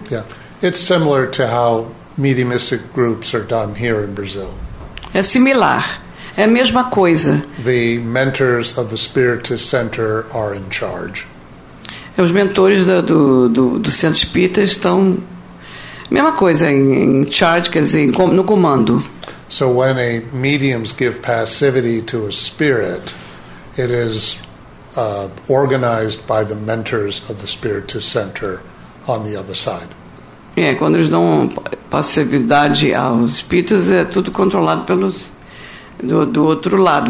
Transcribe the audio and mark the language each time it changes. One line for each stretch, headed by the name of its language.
English: Yeah, it's similar to how mediumistic groups are done here in Brazil.
Portuguese: É similar. É a mesma coisa.
English: The mentors of the Spiritist Center are in charge.
Portuguese: Os mentores do Centro Espírita estão mesma coisa em charge, quer dizer, no comando.
English: So when a medium gives passivity to a spirit, it is organized by the mentors of the Spiritist Center on the other side.
Portuguese: É, quando eles dão passividade aos espíritos, é tudo controlado pelos do outro lado.